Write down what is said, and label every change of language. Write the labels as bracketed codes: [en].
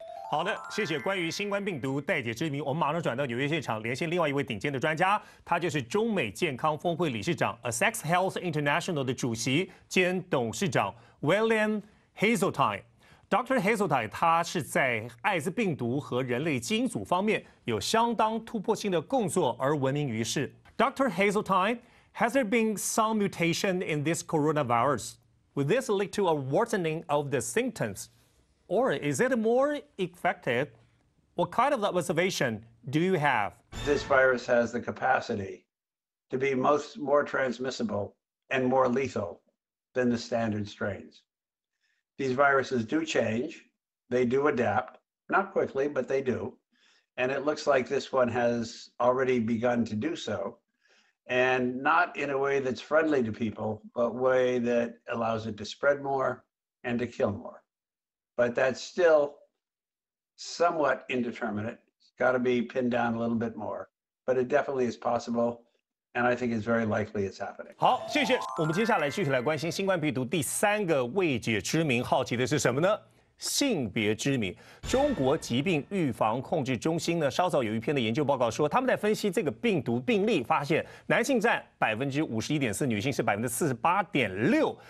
[zh] 好的，谢谢关于新冠病毒待解之谜，我们马上转到纽约现场连线另外一位顶尖的专家，他就是中美健康峰会理事长 Asex Health International 的主席兼董事长 William Hazeltine。 [en] Dr. [zh] Hazeltine 他是在艾滋病毒和人类基因组方面有相当突破性的工作而闻名于世。 [en] Dr. Hazeltine, has there been some mutation in this coronavirus? Would this lead to a worsening of the symptoms, or is it more effective? What kind of observation do you have? This virus has the capacity to be more transmissible and more lethal than the standard strains. These viruses do change. They do adapt, not quickly, but they do. And it looks like this one has already begun to do so. And not in a way that's friendly to people, but way that allows it to spread more and to kill more. But that's still somewhat indeterminate. It's got to be pinned down a little bit more. But it definitely is possible. And I think it's very likely it's happening. [zh] 好，谢谢。我们接下来继续来关心新冠病毒第三个未解之谜，好奇的是什么呢？性别之谜。中国疾病预防控制中心呢，稍早有一篇的研究报告说，他们在分析这个病毒病例，发现男性占51.4%，女性是48.6%。